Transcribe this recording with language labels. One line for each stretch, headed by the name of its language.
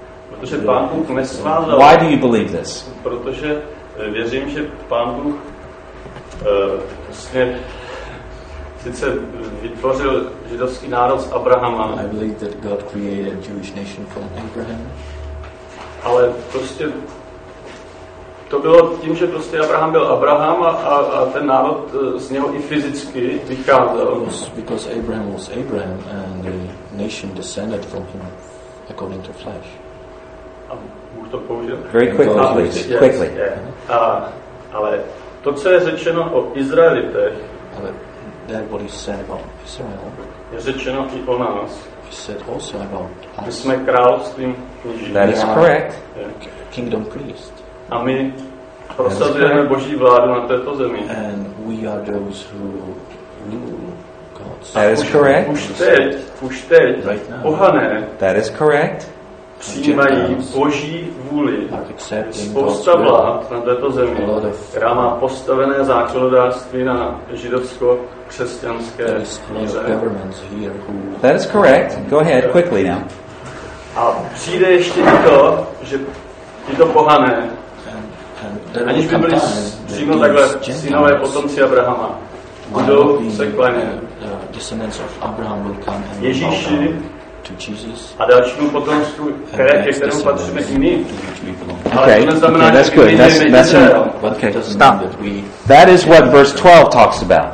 Czech: Protože Pán Bůh nesvázal.
English: Why do you believe this?
Czech: Protože věřím, že Pán Bůh vlastně sice vytvořil židovský národ z Abrahama.
English: I believe that God created a Jewish nation from Abraham.
Czech: Ale prostě to bylo tím, že prostě Abraham byl Abraham a ten národ z něho i fyzicky vycházel.
English: Because Abraham was Abraham and the nation descended from him according to flesh.
Czech: A můžu to použít?
English: Very quickly, please. Yes, quickly. Yeah.
Czech: Ale to, co je řečeno o Izraelitech,
English: but that what is said about Israel,
Czech: je řečeno i o nás.
English: He said also about us.
Czech: My jsme královstvím.
English: That is correct. Yeah. Kingdom priest.
Czech: A my prosazujeme Boží vládu na této zemi.
English: And we are those who rule God's. That is correct.
Czech: Už teď,
English: right now,
Czech: pohané.
English: That is correct.
Czech: Přijímají Boží vůli. Spousta vlád na této zemi, která má postavené zákonodárství na židovsko-křesťanské míře.
English: That is correct. Go ahead, quickly now.
Czech: A přijde ještě to, že tyto pohané,
English: and there will come time
Czech: přímo takhle, synové potomci Abrahama budou se klanět.
English: Descendants of Abraham will come and
Czech: Ježíši
English: to Jesus.
Czech: A dalšímu potomstvu, kterému patříme jiný.
English: Okay, that's good. Okay, stop. That is what verse 12 talks about.